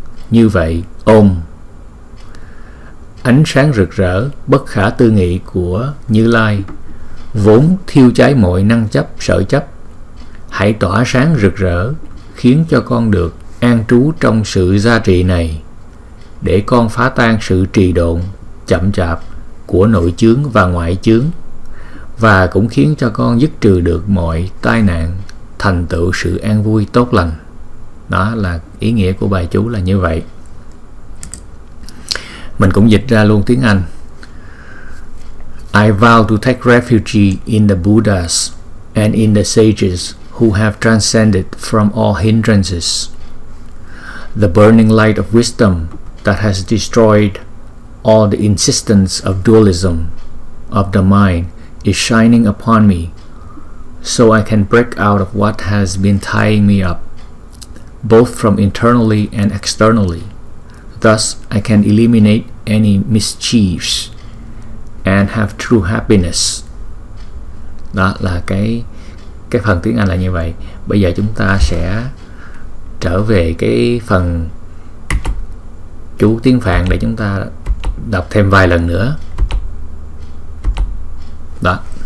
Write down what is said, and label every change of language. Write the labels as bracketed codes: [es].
[vi] Như vậy, Om, ánh sáng rực rỡ bất khả tư nghị của Như Lai vốn thiêu cháy mọi năng chấp sở chấp, hãy tỏa sáng rực rỡ khiến cho con được an trú trong sự gia trì này, để con phá tan sự trì độn chậm chạp của nội chướng và ngoại chướng, và cũng khiến cho con dứt trừ được mọi tai nạn, thành tựu sự an vui tốt lành. Đó là ý nghĩa của bài chú là như vậy. Mình cũng dịch ra luôn tiếng Anh. [en] I vow to take refuge in the Buddhas and in the sages who have transcended from all hindrances. The burning light of wisdom that has destroyed all the insistence of dualism of the mind is shining upon me, so I can break out of what has been tying me up, both from internally and externally. Thus, I can eliminate any mischiefs and have true happiness. [vi] Đó là cái phần tiếng Anh là như vậy. Bây giờ chúng ta sẽ trở về cái phần chú tiếng Phạn để chúng ta đọc thêm vài lần nữa. Đó.